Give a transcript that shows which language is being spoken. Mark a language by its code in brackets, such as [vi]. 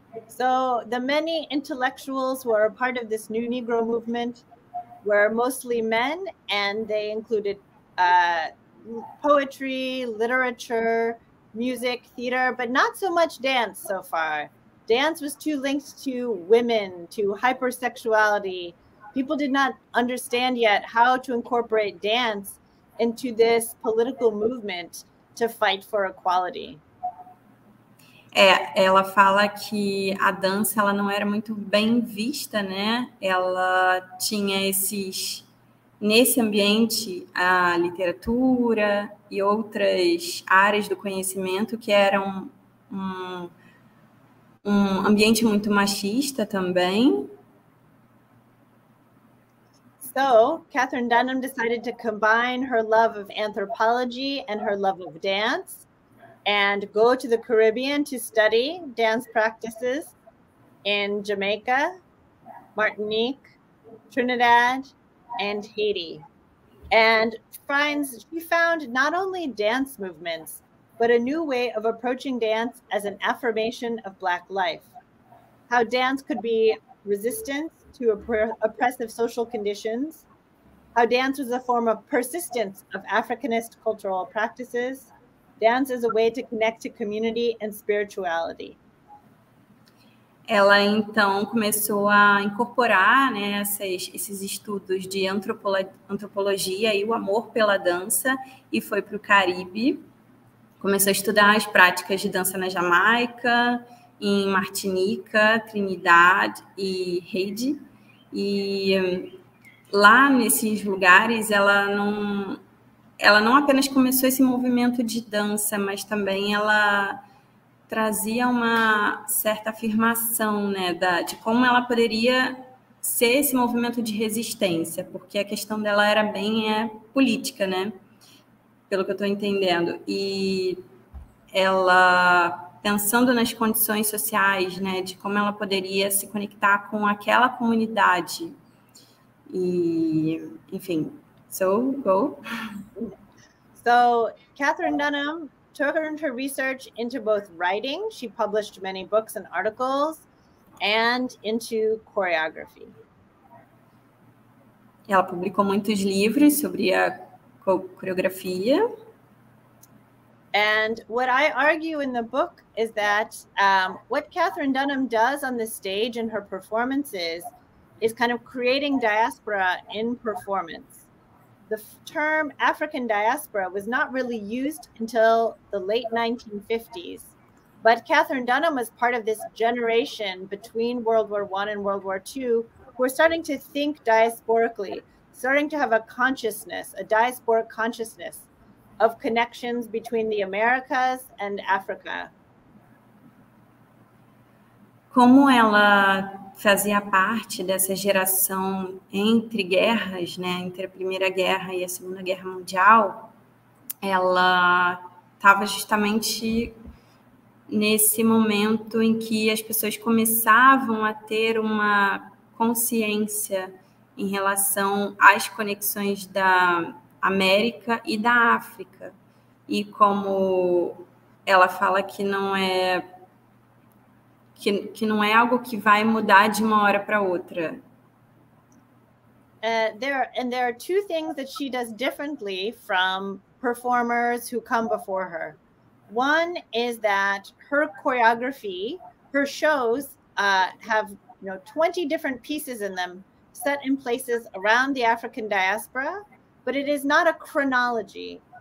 [en] So the many intellectuals who are a part of this New Negro Movement were mostly men, and they included poetry, literature, music, theater, but not so much dance so far. Dance was too linked to women, to hypersexuality. People did not understand yet how to incorporate dance into this political movement to fight for equality. [pt] É, ela fala que a dança ela não era muito bem vista, né? Ela tinha esses, nesse ambiente, a literatura e outras áreas do conhecimento que eram um ambiente muito machista também. [en] So, Catherine Dunham decided to combine her love of anthropology and her love of dance and go to the Caribbean to study dance practices in Jamaica, Martinique, Trinidad, and Haiti. And she found not only dance movements, but a new way of approaching dance as an affirmation of Black life. How dance could be resistance to oppressive social conditions, how dance was a form of persistence of Africanist cultural practices. Dance is a way to connect to community and spirituality. [pt] Ela então começou a incorporar, né, esses estudos de antropologia e o amor pela dança e foi para o Caribe. Começou a estudar as práticas de dança na Jamaica, em Martinica, Trinidad e Haiti. E lá nesses lugares ela não apenas começou esse movimento de dança, mas também ela trazia uma certa afirmação, né, de como ela poderia ser esse movimento de resistência, porque a questão dela era bem política, né, pelo que eu estou entendendo. E ela, pensando nas condições sociais, né, de como ela poderia se conectar com aquela comunidade, e, enfim... [en] So, go. So, Catherine Dunham turned her research into both writing, she published many books and articles, and into choreography. [pt] Ela publicou muitos livros sobre a coreografia. [en] And what I argue in the book is that what Catherine Dunham does on the stage in her performances is kind of creating diaspora in performance. The term African diaspora was not really used until the late 1950s, but Catherine Dunham was part of this generation between World War I and World War II who were starting to think diasporically, starting to have a consciousness, a diasporic consciousness of connections between the Americas and Africa. [pt] como ela fazia parte dessa geração entre guerras, né, entre a Primeira Guerra e a Segunda Guerra Mundial, ela estava justamente nesse momento em que as pessoas começavam a ter uma consciência em relação às conexões da América e da África. E como ela fala que não é, que não é algo que vai mudar de uma hora para outra. [en] There are two things that she does differently from performers who come before her. One is that her choreography, her shows, have, you know, 20 different pieces in them set in places around the African diaspora, but it is not a chronology.